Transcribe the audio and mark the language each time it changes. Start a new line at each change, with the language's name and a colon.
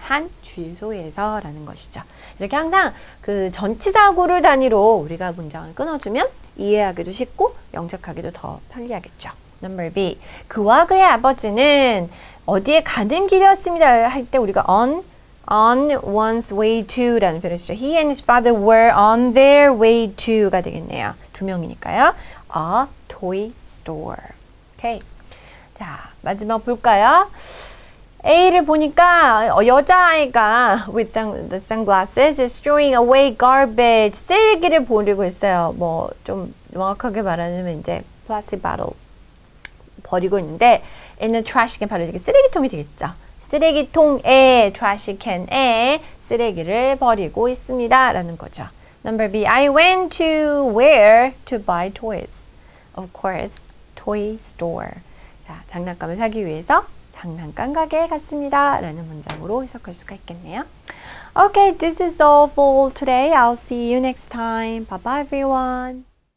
Korean: 한 주유소에서 라는 것이죠. 이렇게 항상 그 전치사구를 단위로 우리가 문장을 끊어주면 이해하기도 쉽고 영작하기도 더 편리하겠죠.
English: Number B.
Korean: 그와 그의 아버지는 어디에 가는 길이었습니다. 할 때 우리가 on one's way to 라는 표현을 쓰죠.
English: He and his father were on their way to가 되겠네요.
Korean: 두 명이니까요.
English: A toy store. Okay.
Korean: 자, 마지막 볼까요? A를 보니까 여자아이가
English: with the sunglasses is throwing away garbage.
Korean: 쓰레기를 버리고 있어요. 뭐 좀 정확하게 말하자면 이제 plastic bottle 버리고 있는데 in a trash can 바로 이게 쓰레기통이 되겠죠. 쓰레기통에 trash can에 쓰레기를 버리고 있습니다. 라는 거죠.
English: Number B. I went to where to buy toys. Of course, toy store.
Korean: 자, 장난감을 사기 위해서 장난감 가게에 갔습니다. 라는 문장으로 해석할 수가 있겠네요.
English: Okay, this is all for today. I'll see you next time. Bye-bye, everyone.